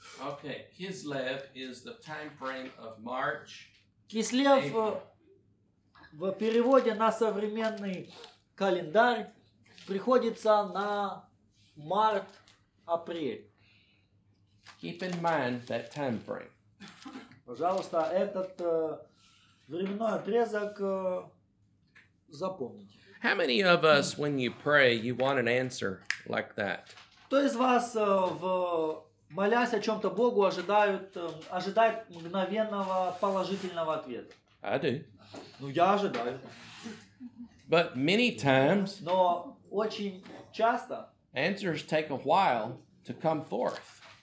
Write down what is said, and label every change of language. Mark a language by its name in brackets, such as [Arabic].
[English] Okay, Kislev is the time frame of March. [Russian] Кислев в переводе на современный календарь приходится на март-апрель. [English] Keep in mind that time frame. [Russian] Пожалуйста, этот временной отрезок запомните. [English] How many of us, when you pray, you want an answer like that? [Russian] Кто из вас, молясь о чем-то Богу, ожидает мгновенного положительного ответа? [English] I do. [Russian] Ну, я ожидаю. [English] But many times, [Russian] но очень часто, [English] answers take a while to come forth.